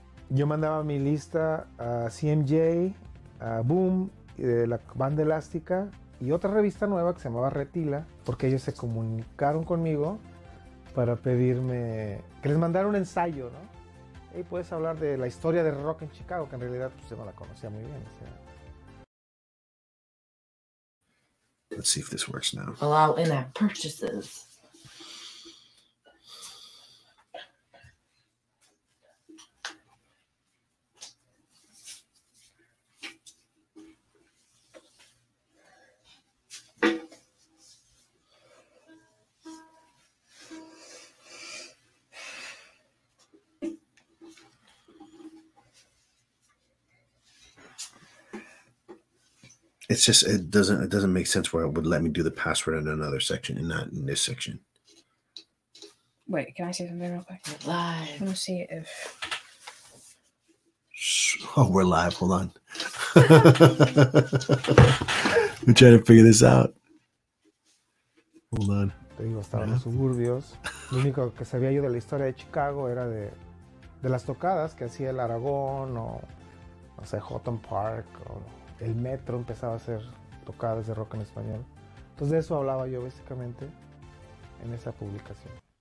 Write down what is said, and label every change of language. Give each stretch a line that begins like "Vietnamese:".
Spanish: Yo mandaba mi lista a CMJ, a Boom, la banda Elástica y otra revista nueva que se llamaba Retila, porque ellos se comunicaron conmigo para pedirme que les mandara un ensayo, ¿no? Y puedes hablar de la historia del rock en Chicago, que en realidad pues, yo no la conocía muy bien. O sea.
English: Let's see if this works now. Allow in-app purchases. It's just it doesn't make sense where it would let me do the password in another section and not in this section. Wait, can I say something real quick? Live. Let me see if. Oh, we're live. Hold on. I'm trying to figure this out. Hold on.
Spanish: Te digo, estaba en los suburbios. Lo único que sabía yo de la historia de Chicago era de las tocadas que hacía el Aragón o no sé, Houghton Park o. El metro empezaba a hacer tocadas de rock en español. Entonces de eso hablaba yo básicamente en esa publicación.